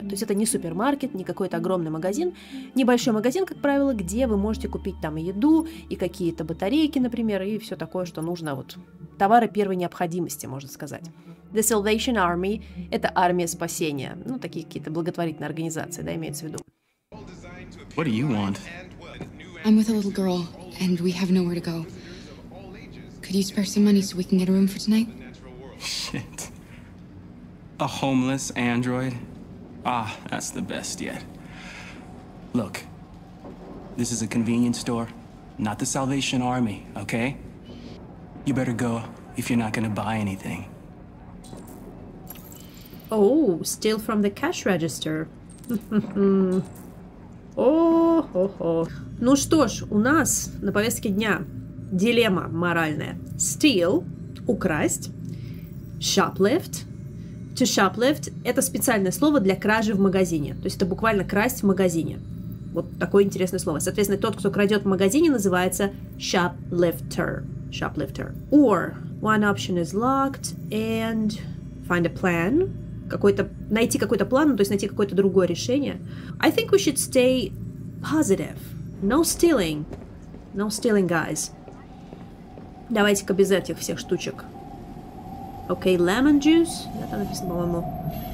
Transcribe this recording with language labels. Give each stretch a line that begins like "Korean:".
Russian: То есть это не супермаркет, не какой-то огромный магазин. Небольшой магазин, как правило, где вы можете купить там и еду, и какие-то батарейки, например, и все такое, что нужно, вот товары первой необходимости, можно сказать. The Salvation Army – это армия спасения. Ну, такие какие-то благотворительные организации, да, имеется в виду.
English: What do you want? I'm with a little girl, and we have nowhere to go. Could you spare some money so we can get a room for tonight? Shit. A homeless android? Ah, that's the best yet. Look, this is a convenience store, not the Salvation Army, okay? You better go if you're not gonna buy anything. Oh, steal from the cash register.
Russian: О-хо-хо. Ну что ж, у нас на повестке дня дилемма моральная. Steal – украсть. Shoplift – to shoplift – это специальное слово для кражи в магазине. То есть это буквально красть в магазине. Вот такое интересное слово. Соответственно, тот, кто крадет в магазине, называется shoplifter.
English: Shoplifter. Or one option is locked and find a plan.
Russian: Какой-то, найти какой-то план, то есть найти какое-то другое решение.
English: I think we should stay positive. No stealing. No stealing, guys.
Russian: Давайте-ка без этих всех штучек.
English: Okay, lemon juice.
Russian: Да, там написано, по-моему.